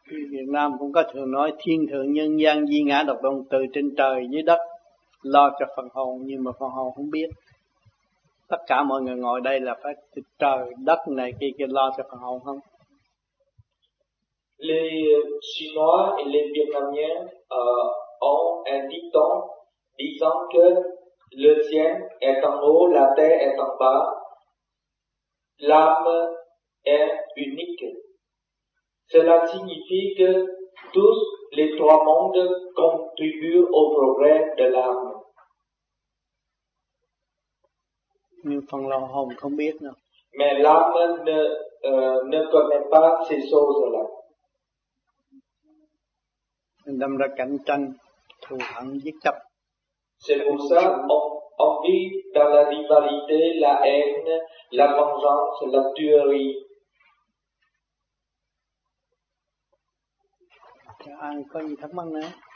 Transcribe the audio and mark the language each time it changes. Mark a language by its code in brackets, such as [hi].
[vi] Việt Nam cũng có thường nói thiên thượng nhân gian duy ngã độc tôn, từ trên trời dưới đất lo cho phần hồn, nhưng mà phần hồn không biết. Tất cả mọi người ngồi đây là phải từ trời đất này kia lo cho phần hồn không? [fr] Les Chinois et les Vietnamiens ont un dicton disant que le ciel est en haut, la terre est en bas, l'âme est unique. Cela signifie que tous les trois mondes contribuent au progrès de l'âme. [vi] Nhưng phần lòng hồn không biết nữa. [fr] Mais l'âme ne connaît pas ces choses-là. [vi] Đâm ra cạnh tranh, thù hận, giết chóc. [fr] C'est pour ça on vit dans la rivalité, la haine, la vengeance, la tuerie. [vi] Anh có gì thắc mắc nữa?